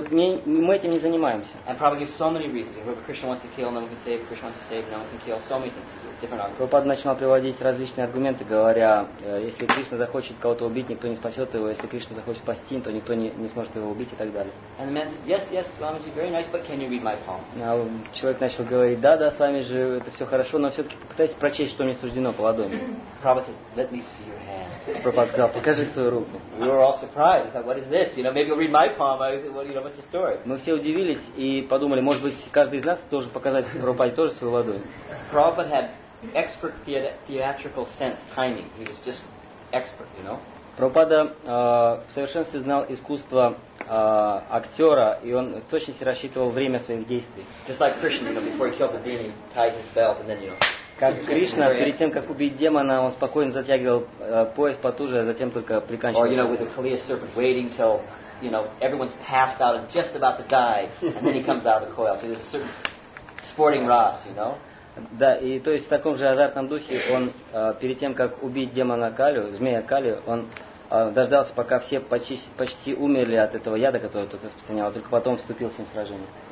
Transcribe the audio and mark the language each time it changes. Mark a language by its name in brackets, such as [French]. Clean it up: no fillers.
[Russian] говорит, мы этим не занимаемся. [English] And probably so many reasons. If Krishna wants to kill, no one can save. If Krishna wants to save, no one can kill. So many things. Different arguments. [Russian] Prabhupada начал приводить различные аргументы, говоря, если Кришна захочет кого-то убить, никто не спасет его. Если Кришна захочет спасти, то никто не сможет его убить и так далее. [English] And the man said, yes, Swamiji, very nice, but can you read my poem? [Russian] Человек начал говорить, да, Свамиджи, это все хорошо, но все-таки попытайтесь прочесть, что мне суждено по ладони. [English] Prabhupada said, let me see your hand. [Russian] Prabhupada сказал, покажи свою руку. [English] We were all surprised. Like, what is this? You know, maybe you'll read my poem. What's the story? [Russian] Мы все удивились и подумали, может быть, каждый из нас тоже показать Прабхупаде тоже свою ладонь. [English] Prabhupada had expert theatrical sense, timing. He was just expert, you know. [Russian] Прабхупада в совершенстве знал искусство актера, и он с точностью рассчитывал время своих действий. [English] Just like Krishna, you know, before he killed the demon, ties his belt, and then you know. [Russian] Как Кришна, перед тем, как убить демона, он спокойно затягивал пояс потуже, а затем только приканчивал. [English] Or, you know, with the Kaliya serpent waiting till, you know, everyone's passed out and just about to die, and then he comes out of the coil. So there's a certain sporting ras, you know? [Russian] Да, и то есть в таком же азартном духе он, перед тем, как убить демона Калю, змея Калю, он дождался, пока все почти умерли от этого яда, который тут распространял, а только потом вступил с ним в сражение.